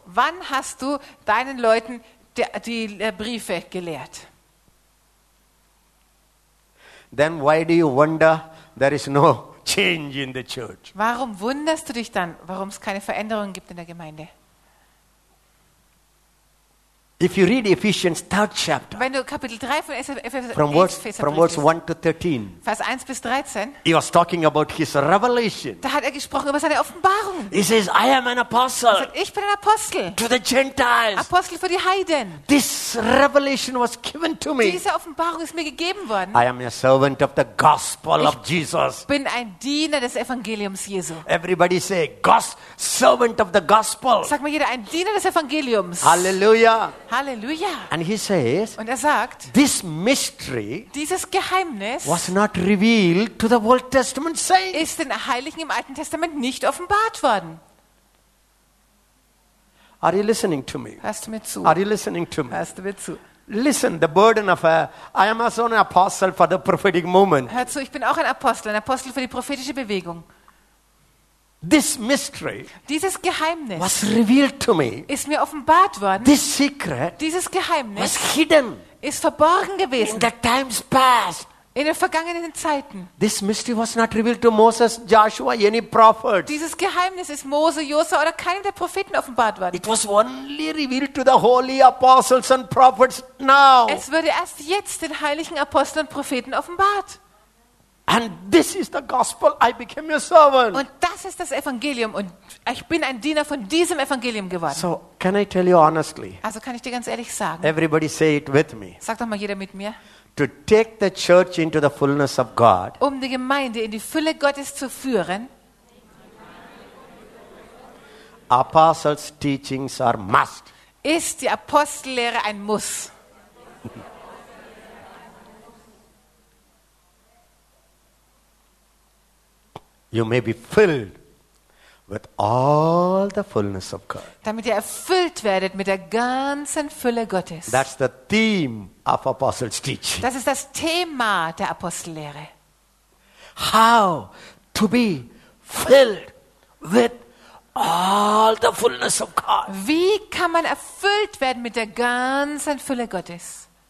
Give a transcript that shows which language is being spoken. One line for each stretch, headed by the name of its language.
German: Wann hast du deinen Leuten die Briefe gelehrt?
English: Then why do you wonder there is no change in the church?
German: Warum wunderst du dich dann, warum es keine Veränderung gibt in der Gemeinde?
English: If you read Ephesians 3 chapter.
German: Wenn du Kapitel 3 von
English: Vers 1 to 13.
German: Vers 1 bis 13.
English: He was talking about his revelation.
German: Da hat er gesprochen über seine Offenbarung.
English: He says, I am an apostle.
German: Er sagt, ich bin ein Apostel.
English: To the Gentiles.
German: Apostel für die Heiden.
English: This revelation was given to me.
German: Diese Offenbarung ist mir gegeben worden.
English: I am a servant of the gospel
German: ich
English: of Jesus.
German: Bin ein Diener des Evangeliums Jesu.
English: Everybody say servant of the gospel.
German: Sag mal jeder ein Diener des Evangeliums.
English: Halleluja.
German: Halleluja.
English: And he says,
German: und er sagt,
English: this mystery,
German: dieses Geheimnis,
English: was not revealed to the Old Testament saints,
German: ist den Heiligen im Alten Testament nicht offenbart worden.
English: Are you listening to me?
German: Hörst du mir zu?
English: Are you listening to me?
German: Hörst du mir zu?
English: Listen, the burden of I am also an apostle for the prophetic movement.
German: Hör zu, ich bin auch ein Apostel für die prophetische Bewegung.
English: This mystery,
German: dieses Geheimnis,
English: was revealed to me,
German: ist mir offenbart worden.
English: This secret,
German: dieses Geheimnis,
English: was hidden,
German: ist verborgen gewesen.
English: In the times past,
German: in den vergangenen Zeiten.
English: This mystery was not revealed to Moses, Joshua, any prophet.
German: Dieses Geheimnis ist Mose, Josua oder keinem der Propheten offenbart worden.
English: It was only revealed to the holy apostles and prophets now.
German: Es wurde erst jetzt den heiligen Aposteln und Propheten offenbart.
English: And this is the gospel. I became your servant.
German: Und das ist das Evangelium und ich bin ein Diener von diesem Evangelium geworden.
English: So, can I tell you honestly?
German: Also kann ich dir ganz ehrlich sagen.
English: Everybody say it with me.
German: Sag doch mal jeder mit mir.
English: To take the church into the fullness of God.
German: Um die Gemeinde in die Fülle Gottes zu führen.
English: Apostles' teachings are must.
German: Ist die Apostellehre ein Muss?
English: You may be filled with all the fullness of God.
German: Damit ihr erfüllt werdet mit der ganzen Fülle Gottes.
English: That's the theme of apostles' teaching.
German: Das ist das Thema der Apostellehre.
English: How to be filled with all the fullness of God.
German: Wie kann man erfüllt werden mit der ganzen Fülle Gottes?